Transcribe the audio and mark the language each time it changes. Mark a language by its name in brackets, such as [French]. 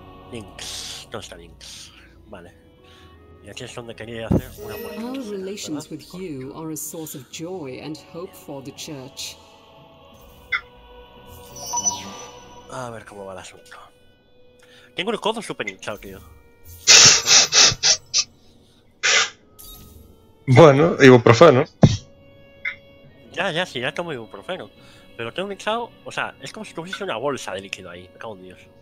[Spanish] Links, ¿dónde está Links? Vale. Y aquí es donde quería hacer una muerte. [English] Our relations with you are a source of joy and hope for the church. [Spanish] A ver cómo va el asunto. Tengo el codo súper hinchado, tío. Bueno, ibuprofeno. Ya, ya, sí, ya tomo ibuprofeno. Pero tengo hinchado, o sea, es como si tuviese una bolsa de líquido ahí, me cago en Dios.